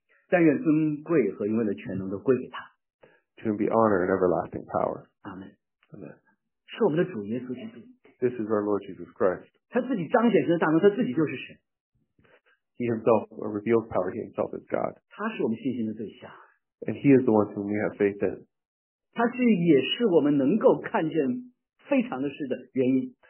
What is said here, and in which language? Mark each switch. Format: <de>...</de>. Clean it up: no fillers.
<zh>但愿尊贵和永远的全能都归给他,</zh> <en>to him be honor and everlasting power. Amen. Amen.</en> <zh>是我们的主耶稣基督,</zh> <en>this is our Lord Jesus Christ.</en> <zh>他自己彰显神的大能，他自己就是神。</zh> <en>He himself reveals power. He himself is God.</en> <zh>他是我们信心的对象,</zh> <en>and he is the one whom we have faith in.</en> <zh>他是也是我们能够看见非常的事的原因。</zh>